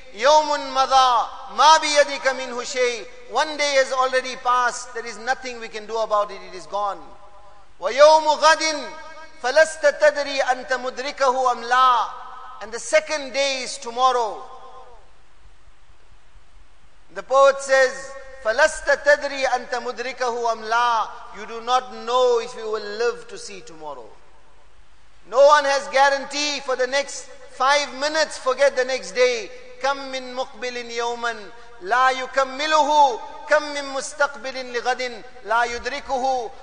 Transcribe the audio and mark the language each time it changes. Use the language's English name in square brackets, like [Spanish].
[Arabic] يَوْمٌ مَضَى مَا بِيَدِكَ مِنْهُ شَيْءٍ. [English] One day has already passed. There is nothing we can do about it. It is gone. [Arabic] وَيَوْمُ غَدٍ فَلَسْتَ تَدْرِي أَنْتَ مُدْرِكَهُ أَمْ لَا. [English] And the second day is tomorrow. The poet says, [Arabic] فَلَسْتَ تَدْرِي أَنْتَ مُدْرِكَهُ أَمْ لَا. [English] You do not know if you will live to see tomorrow. No one has guarantee for the next 5 minutes. Forget the next day. [Arabic] كَمْ مِنْ مُقْبِلٍ يَوْمًا لَا يُكَمِّلُهُ كَمْ مِنْ مُسْتَقْبِلٍ لِغَدٍ لَا يُدْرِكُهُ.